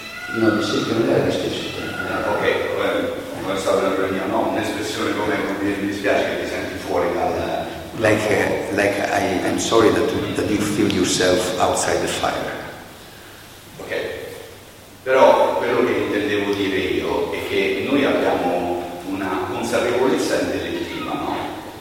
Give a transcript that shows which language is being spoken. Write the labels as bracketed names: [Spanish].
[Italian] No, mi sa che non era la stessa. Ok, non è stata la mia, no, un'espressione come mi dispiace che ti senti fuori dal. [English] Like I'm sorry that you feel yourself outside the fire. [Italian] Ok. Però quello che intendevo dire io è che noi abbiamo una consapevolezza intellettiva, no?